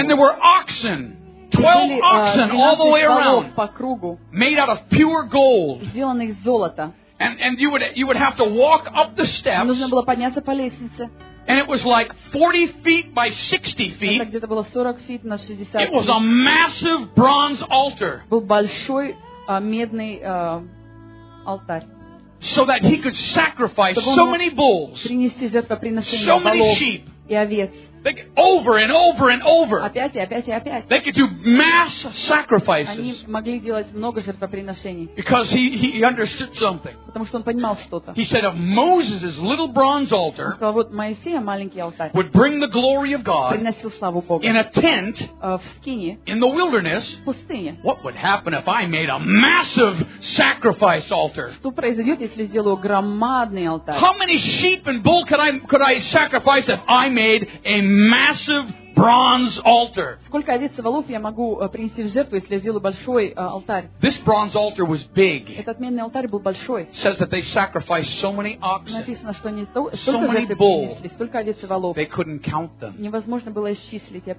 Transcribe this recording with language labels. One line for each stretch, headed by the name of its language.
English: And there were oxen. 12 oxen all the way around, made out of pure gold.
Russian: Сделанных из золота.
English: And you would have to walk up the steps.
Russian: Нужно было подняться по лестнице.
English: And it was like 40 feet by 60 feet.
Russian: Это где-то было 40 feet на 60.
English: It was a massive bronze altar.
Russian: Был большой медный алтарь.
English: So that he could sacrifice so many bulls,
Russian: принести жертвоприношения,
English: so many sheep,
Russian: и овец.
English: They could, over and over and over.
Russian: Опять и опять и опять.
English: They could do mass sacrifices.
Russian: Они могли делать много жертвоприношений.
English: Because he understood something.
Russian: Потому что он понимал что-то.
English: He said, "If Moses' little bronze altar
Russian: вот Моисея маленький алтарь
English: would bring the glory of God,
Russian: приносил славу Бога,
English: in a tent
Russian: в скине,
English: in the wilderness,
Russian: в пустыне,
English: what would happen if I made a massive sacrifice altar?
Russian: Что произойдет, если сделаю громадный алтарь?
English: How many sheep and bull could I sacrifice if I made a massive bronze altar.
Russian: Сколько овец и волов я могу принести в жертву, если я сделаю большой алтарь?
English: This bronze altar was big.
Russian: Этот медный алтарь был большой.
English: Says that they sacrificed so many oxen.
Russian: Написано, что они столько жертв принесли, столько овец и волов.
English: They couldn't count them.
Russian: Невозможно было исчислить.